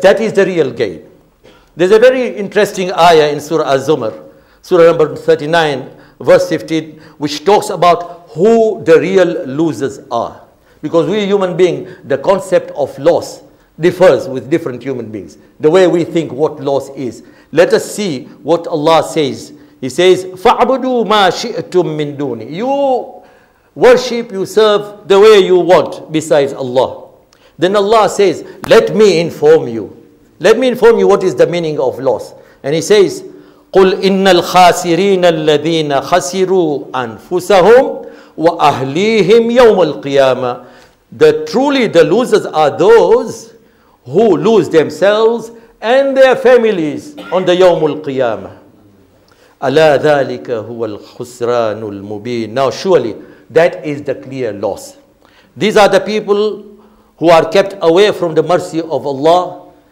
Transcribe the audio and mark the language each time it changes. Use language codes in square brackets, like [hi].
[en] That is the real gain. There's a very interesting ayah in Surah Az-Zumar, Surah number 39, verse 15, which talks about who the real losers are. Because we human beings, the concept of loss differs with different human beings, the way we think what loss is. Let us see what Allah says. He says, [ar] فَعْبُدُوا مَا شِئْتُم مِّن دُونِ. [en] You worship, you serve the way you want besides Allah. Then Allah says, let me inform you. Let me inform you what is the meaning of loss. And he says, [ar] قُلْ إِنَّ الْخَاسِرِينَ الَّذِينَ خَسِرُوا أَنفُسَهُمْ وَأَهْلِيهِمْ يَوْمَ الْقِيَامَةِ. [en] The truly the losers are those who lose themselves and their families on the يوم القيامة. [ar] أَلَا ذَلِكَ هُوَ الْخُسْرَانُ الْمُبِينُ. [en] Now surely that is the clear loss. These are the people who are kept away from the mercy of Allah.